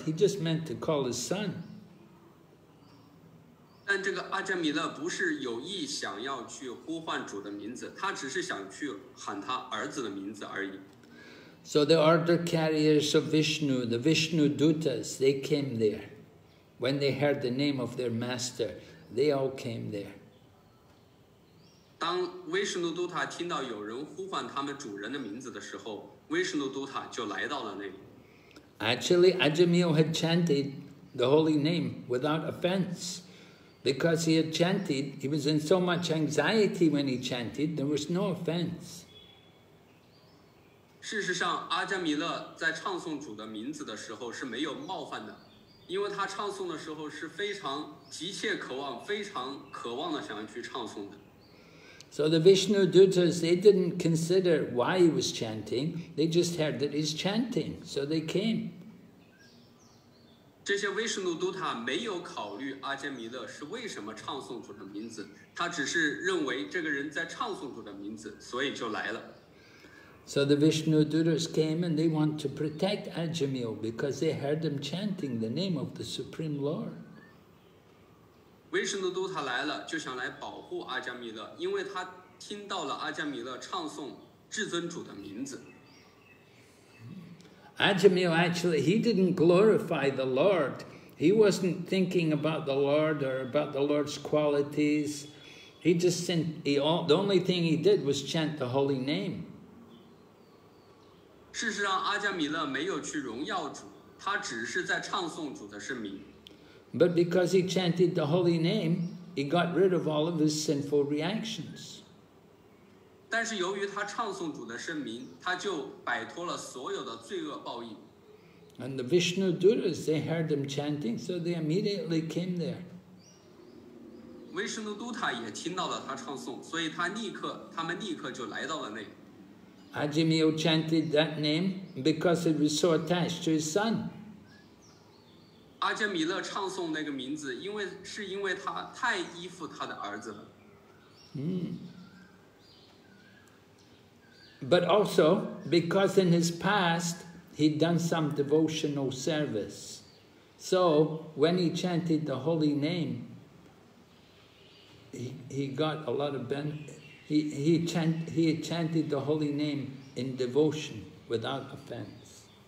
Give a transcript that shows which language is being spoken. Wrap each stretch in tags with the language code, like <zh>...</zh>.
<en>He just meant to call his son.</en> <zh>但这个阿加米勒不是有意想要去呼唤主的名字，他只是想去喊他儿子的名字而已。</zh> <en>So the order carriers of Vishnu, the Vishnu Dutas, they came there. When they heard the name of their master, they all came there.</en> <zh>当维什努都塔听到有人呼唤他们主人的名字的时候，维什努都塔就来到了那里。</zh> <en>Actually, Ajmila had chanted the holy name without offense, because he had chanted. He was in so much anxiety when he chanted. There was no offense.</en> <zh>事实上，阿加米勒在唱诵主的名字的时候是没有冒犯的。因为他唱诵的时候是非常急切渴望，非常渴望的想要去唱诵的。</zh> <en>So the Vishnu Dutas, they didn't consider why he was chanting. They just heard that he's chanting, so they came.</en> <zh>这些维什努都塔没有考虑阿加米勒是为什么唱诵主的名字，他只是认为这个人在唱诵主的名字，所以就来了。</zh> <en>So the Vishnu Duras came and they want to protect Ajmila because they heard him chanting the name of the Supreme Lord.</en> <zh>Vishnu Duta 来了就想来保护阿加米勒，因为他听到了阿加米勒唱诵至尊主的名字。</zh> <en>Ajmila actually, he didn't glorify the Lord. He wasn't thinking about the Lord or about the Lord's qualities. The only thing he did was chant the holy name.</en> <zh>事实上，阿加米勒没有去荣耀主，他只是在唱诵主的圣名。</zh> <en>But because he chanted the holy name, He got rid of all of his sinful reactions.</en> <zh>但是由于他唱诵主的圣名，他就摆脱了所有的罪恶报应。</zh> <en>And the Vishnu Duras, they heard him chanting, so they immediately came there.</en> <zh>Vishnu Duta 也听到了他唱诵，所以他们立刻就来到了那里。</zh> <en>Ajimiyo chanted that name because it was so attached to his son.</en> <zh>阿杰米勒唱诵那个名字，因为他太依附他的儿子了。</zh> <en>But also because in his past he'd done some devotional service, so when he chanted the holy name, he chanted the holy name in devotion without offense.</en>